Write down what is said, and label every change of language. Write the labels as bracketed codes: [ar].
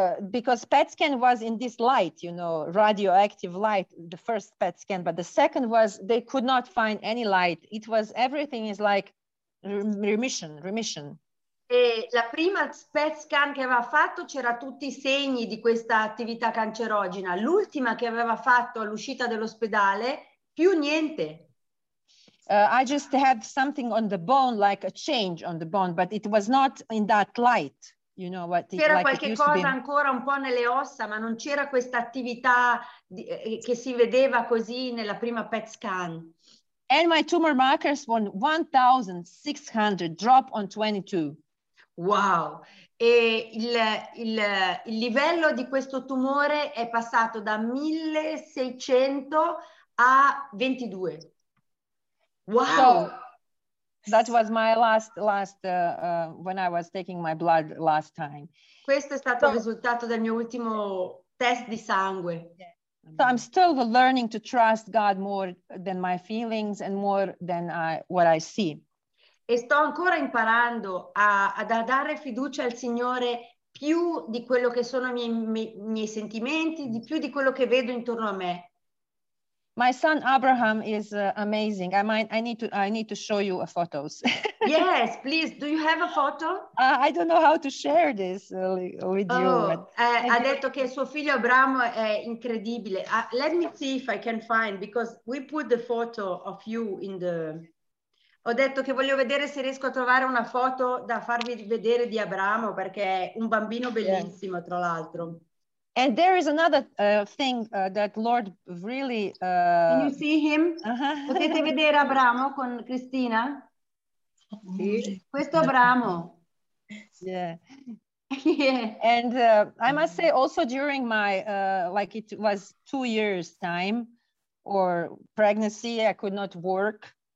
[en] Because PET scan was in this light, you know, radioactive light, the first PET scan. But the second was they could not find any light. It was everything is like remission. [it] E la prima PET scan che aveva fatto c'era tutti i segni di questa attività cancerogena. L'ultima che aveva fatto all'uscita dell'ospedale, più niente. [en] I just had something on the bone, like a change on the bone, but it was not in that light, you know what? [it] C'era qualche cosa ancora un po' nelle ossa, ma non c'era questa attività che si vedeva così nella prima PET scan. [en] And my tumor markers were 1,600 drop on 22. Wow! [it] E il livello di questo tumore è passato da 1,600 a 22. [en] Wow. So that was my last when I was taking my blood last time. [it] Questo è stato il risultato del mio ultimo test di sangue. [en] So I'm still learning to trust God more than my feelings and more than what I see. [it] E sto ancora imparando a dare fiducia al Signore più di quello che sono i miei sentimenti, di più di quello che vedo intorno a me. [en] My son Abraham is amazing. I need to show you a photos. Yes, please. Do you have a photo? I don't know how to share this with you. [it] Ha detto che suo figlio Abramo è incredibile. [en] Let me see if I can find, because we put the photo of you in the... [it] Ho detto che voglio vedere se riesco a trovare una foto da farvi vedere di Abramo, perché è un bambino bellissimo, yeah. Tra l'altro. [en] And there is another thing that Lord really... Can you see him? Uh-huh. [it] Potete vedere Abramo con Cristina? Sì. Questo Abramo. [en] Yeah. And I must say also during my, like it was 2 years time or pregnancy, I could not work.